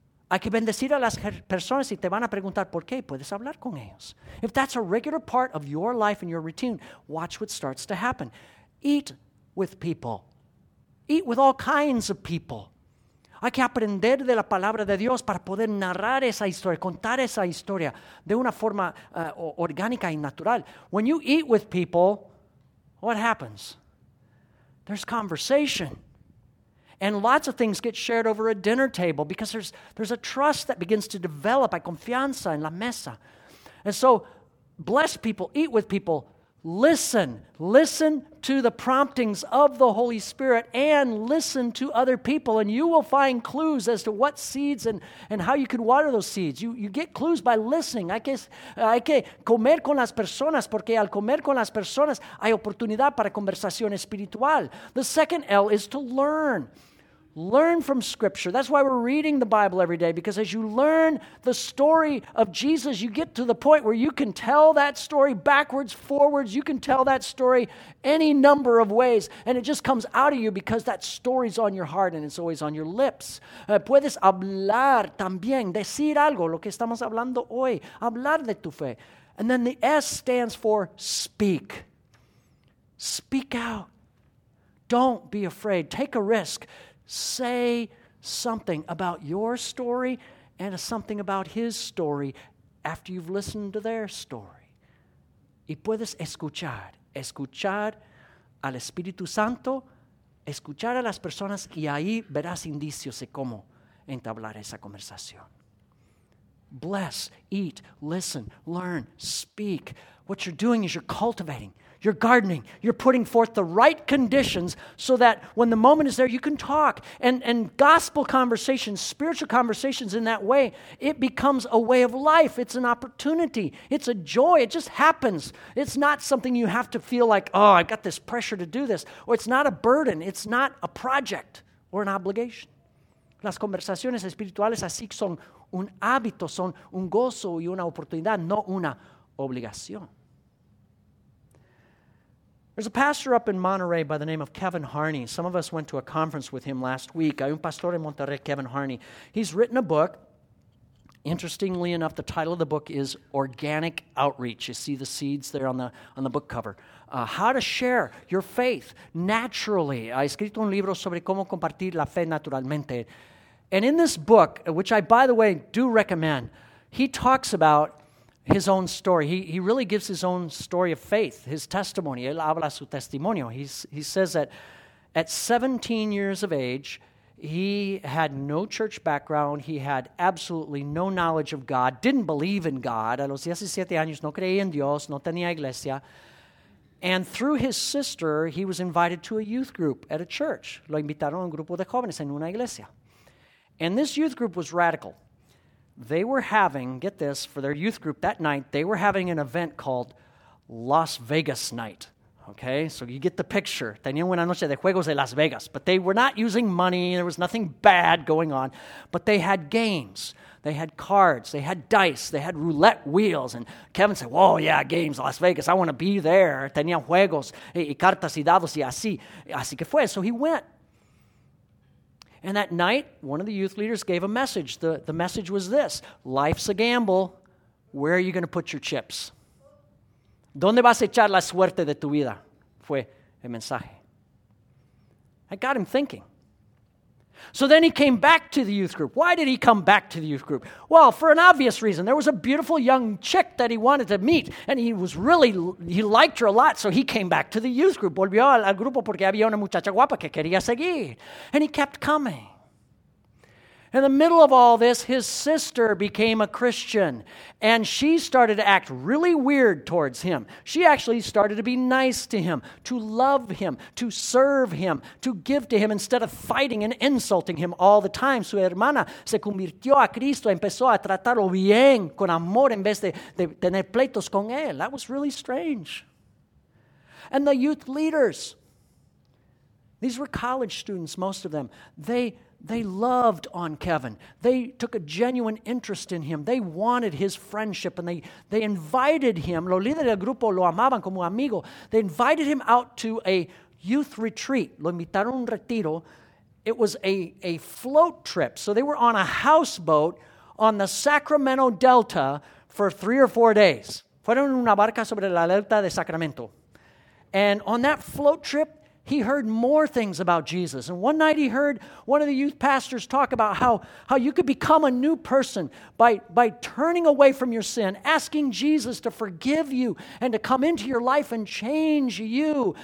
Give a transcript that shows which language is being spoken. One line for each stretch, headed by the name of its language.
Spanish: Hay que bendecir a las personas y te van a preguntar por qué. Puedes hablar con ellos.
English: If that's a regular part of your life and your routine, watch what starts to happen. Eat with people. Eat with all kinds of people.
Spanish: Hay que aprender de la palabra de Dios para poder narrar esa historia, contar esa historia de una forma orgánica y natural.
English: When you eat with people, what happens? There's conversation. And lots of things get shared over a dinner table because there's a trust that begins to develop,
Spanish: a confianza en la mesa.
English: And so, bless people, eat with people, Listen. Listen to the promptings of the Holy Spirit and listen to other people, and you will find clues as to what seeds and how you can water those seeds. You get clues by listening.
Spanish: Hay que comer con las personas, porque al comer con las personas hay oportunidad para conversación espiritual.
English: The second L is to learn. Learn from Scripture. That's why we're reading the Bible every day, because as you learn the story of Jesus, you get to the point where you can tell that story backwards, forwards. You can tell that story any number of ways, and it just comes out of you because that story's on your heart and it's always on your lips.
Spanish: Puedes hablar también, decir algo, lo que estamos hablando hoy, hablar de tu fe.
English: And then the S stands for speak. Speak out. Don't be afraid. Take a risk. Say something about your story and something about his story after you've listened to their story.
Spanish: Y puedes escuchar, escuchar al Espíritu Santo, escuchar a las personas, y ahí verás indicios de cómo entablar esa conversación.
English: Bless, eat, listen, learn, speak. What you're doing is you're cultivating. You're gardening. You're putting forth the right conditions so that when the moment is there, you can talk. And gospel conversations, spiritual conversations in that way, it becomes a way of life. It's an opportunity. It's a joy. It just happens. It's not something you have to feel like, oh, I've got this pressure to do this. Or it's not a burden. It's not a project or an obligation.
Spanish: Las conversaciones espirituales así son un hábito, son un gozo y una oportunidad, no una obligación.
English: There's a pastor up in Monterey by the name of Kevin Harney. Some of us went to a conference with him last week.
Spanish: Hay un pastor en Monterey, Kevin Harney.
English: He's written a book. Interestingly enough, the title of the book is Organic Outreach. You see the seeds there on the book cover. How to share your faith naturally.
Spanish: Ha escrito un libro sobre cómo compartir la fe naturalmente.
English: And in this book, which I, by the way, do recommend, he talks about his own story. He really gives his own story of faith, his testimony.
Spanish: Él habla su testimonio.
English: He says that at 17 years of age, he had no church background. He had absolutely no knowledge of God, didn't believe in God.
Spanish: A los 17 años no creía en Dios, no tenía iglesia.
English: And through his sister, he was invited to a youth group at a church.
Spanish: Lo invitaron a un grupo de jóvenes en una iglesia.
English: And this youth group was radical. They were having, get this, for their youth group that night, they were having an event called Las Vegas Night, okay? So you get the picture.
Spanish: Tenían una noche de juegos de Las Vegas,
English: but they were not using money. There was nothing bad going on, but they had games. They had cards. They had dice. They had roulette wheels, and Kevin said, whoa, yeah, games, Las Vegas. I want to be there.
Spanish: Tenían juegos y cartas y dados y así. Así que fue.
English: So he went. And that night, one of the youth leaders gave a message. The message was this: life's a gamble. Where are you going to put your chips?
Spanish: ¿Dónde vas a echar la suerte de tu vida? Fue el mensaje.
English: That got him thinking. So then he came back to the youth group. Why did he come back to the youth group? Well, for an obvious reason. There was a beautiful young chick that he wanted to meet, and he liked her a lot, so he came back to the youth group.
Spanish: Volvió al grupo porque había una muchacha guapa que quería seguir.
English: And he kept coming. In the middle of all this, his sister became a Christian, and she started to act really weird towards him. She actually started to be nice to him, to love him, to serve him, to give to him instead of fighting and insulting him all the time.
Spanish: Su hermana se convirtió a Cristo, empezó a tratarlo bien, con amor, en vez de tener pleitos con él.
English: That was really strange. And the youth leaders, these were college students, most of them, they loved on Kevin. They took a genuine interest in him. They wanted his friendship, and they invited him.
Spanish: Los líderes del grupo lo amaban como amigo.
English: They invited him out to a youth retreat.
Spanish: Lo invitaron a un retiro.
English: It was a float trip. So they were on a houseboat on the Sacramento Delta for 3 or 4 days.
Spanish: Fueron una barca sobre la delta de Sacramento.
English: And on that float trip, he heard more things about Jesus. And one night he heard one of the youth pastors talk about how you could become a new person by turning away from your sin, asking Jesus to forgive you and to come into your life and change you.